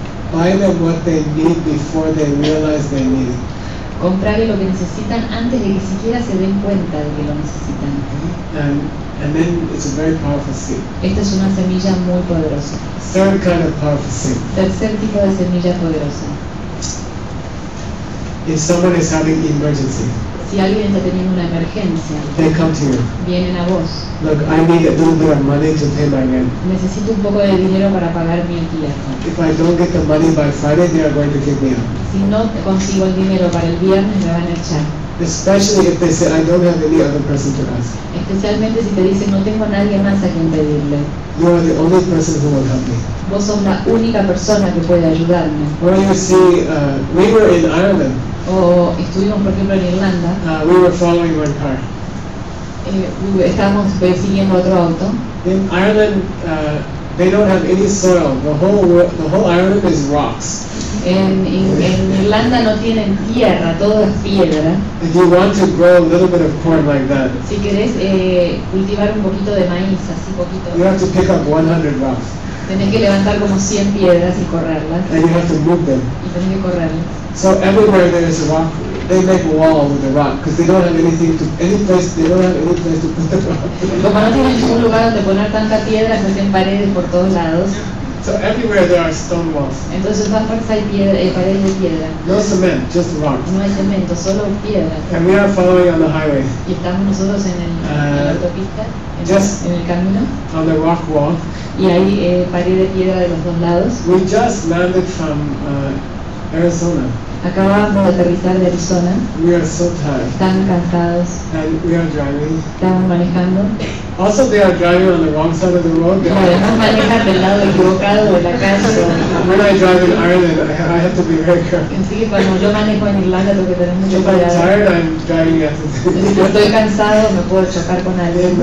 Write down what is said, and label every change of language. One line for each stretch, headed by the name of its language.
English: Buy them what they need before they realize they need it.
Spanish: Comprarle lo que necesitan antes de que siquiera se den cuenta de que lo necesitan.
English: And then it's a very powerful seed.
Spanish: Esta es una semilla muy poderosa.
English: Third kind of powerful seed.
Spanish: Tercer tipo de semilla poderosa.
English: If somebody is having an emergency.
Spanish: Si alguien está teniendo una emergencia,
English: they come to you.
Spanish: Vienen a vos.
English: Look, I need a little bit of money to pay my rent.
Spanish: Necesito un poco de dinero para pagar mi alquiler.
English: If I don't get the money by Friday, they are going to kick me out.
Spanish: Si no consigo el dinero para el viernes, me van a echar.
English: Especially if they say I don't have any other person to ask.
Spanish: Especialmente si te dicen no tengo nadie más a quien pedirle.
English: You are the only person who will help me.
Spanish: Vos sos la única persona que puede ayudarme.
English: Or you see, we were in Ireland.
Spanish: O estuvimos, por ejemplo, en Irlanda.
English: We were following one car.
Spanish: Estábamos persiguiendo otro auto.
English: In Ireland, They don't have any soil. The whole island is rocks.
Spanish: En Irlanda no tienen tierra, todo es piedra.
English: If you want to grow a little bit of corn like that,
Spanish: si querés cultivar un poquito de maíz, así poquito.
English: You have to pick up 100 rocks.
Spanish: Tenés que levantar como 100 piedras y correrlas.
English: And you have to move them.
Spanish: Y tenés que correrlas.
English: So everywhere there is a rock. They make a wall with the rock because they don't have anything to any place. They don't have any place to put the rock.
Spanish: Como no tienen ningún lugar donde poner tanta piedra, se hacen paredes por todos lados.
English: So everywhere there are stone walls.
Spanish: Entonces más fuerza hay paredes de piedra.
English: No cement, just rocks.
Spanish: No hay cemento, solo piedra.
English: And we are following on the highway.
Spanish: Y estamos nosotros en el autopista, en el camino.
English: On the rock wall.
Spanish: Y hay pared de piedra de los dos lados.
English: We just landed from Arizona.
Spanish: Acabamos de aterrizar de Arizona.
English: We are so tired.
Spanish: Están cansados.
English: And we are driving.
Spanish: Estamos manejando.
English: Also, they are driving on the wrong side of the road.
Spanish: No, además manejan del lado equivocado de la calle.
English: So, when I drive in Ireland, I have to be very careful.
Spanish: Sí, cuando yo manejo en Irlanda, lo que tenemos mucho cuidado.
English: If I'm tired, I'm driving at the.
Spanish: Si estoy cansado, me puedo chocar con alguien.